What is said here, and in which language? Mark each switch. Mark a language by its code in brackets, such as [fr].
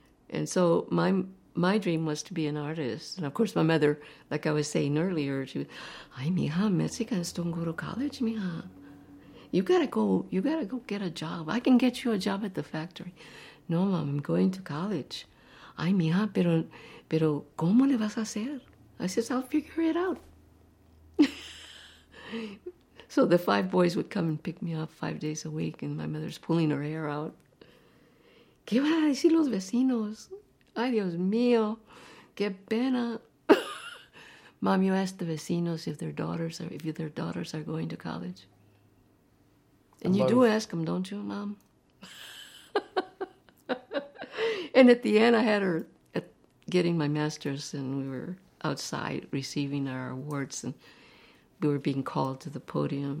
[en] And so my dream was to be an artist. And of course, my mother, like I was saying earlier, she was, [es] "Ay, mija, [en] Mexicans don't go to college, mija. You gotta go get a job. I can get you a job at the factory." "No, mom, I'm going to college." [es] "Ay, mija, pero ¿cómo le vas a hacer?" [en] I says, "I'll figure it out." So the five boys would come and pick me up 5 days a week, and my mother's pulling her hair out. [es] "¿Qué van a decir los vecinos? Ay, Dios mío, qué pena." [en] "Mom, you ask the vecinos if their daughters are going to college." And you do ask them, don't you, Mom? And at the end, I had her at getting my master's, and we were outside receiving our awards, and we were being called to the podium.